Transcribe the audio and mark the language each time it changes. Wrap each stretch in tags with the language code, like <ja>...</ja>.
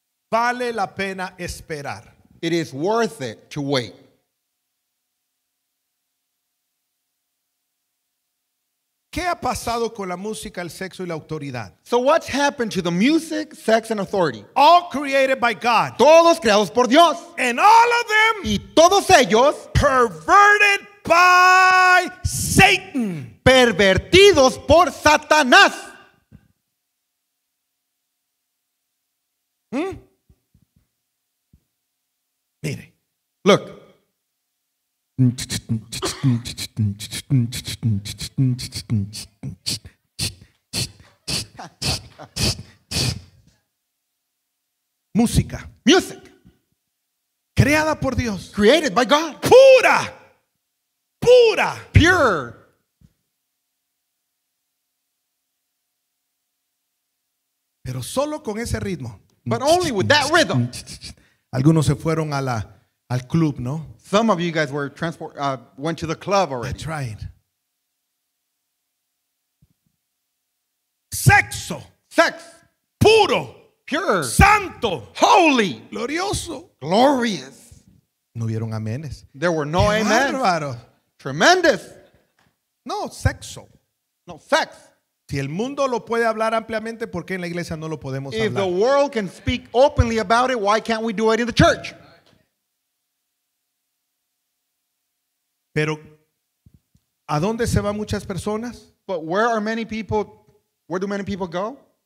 <es>Vale la pena esperar.</es> <en>It is worth it to wait.</en> <es>¿Qué ha pasado con la música, el sexo y la autoridad?</es> <en>So what's happened to the music, sex, and authority? All created by God.</en> <es>Todos creados por Dios.</es> <en>And all of them.</en> <es>Y todos ellos.</es> <en>Perverted by Satan.</en> <es>Pervertidos por Satanás. ¿Mm? Mire.</es> <en>Look.</en> <es>Música.</es> <en>Music.</en> <es>Creada por Dios.</es> <en>Created by God.</en> <es>Pura. Pura.</es> <en>Pure.</en> <es>Pero solo con ese ritmo.</es> <en>But only with that rhythm.</en> <es>Algunos se fueron a la, al club, ¿no?</es> <en>Some of you guys were transport, went to the club already. That's right.</en> <es>Sexo.</es> <en>Sex.</en> <es>Puro.</es> <en>Pure.</en> <es>Santo.</es> <en>Holy.</en> <es>Glorioso.</es> <en>Glorious.</en> <es>No hubieron amenes.</es> <en>There were no amens.</en> <es>Bárbaro.</es> <en>Tremendous.</en> <es>No, sexo.</es> <en>No, sex.</en> <es>Si el mundo lo puede hablar ampliamente, ¿por qué en la iglesia no lo podemos</es> <en>if</en> <es>hablar?</es> <en>If the world can speak openly about it, why can't we do it in the church?</en> <es>Pero, ¿a dónde se van muchas personas?</es> <en>But where are many people, where do many people go?</en>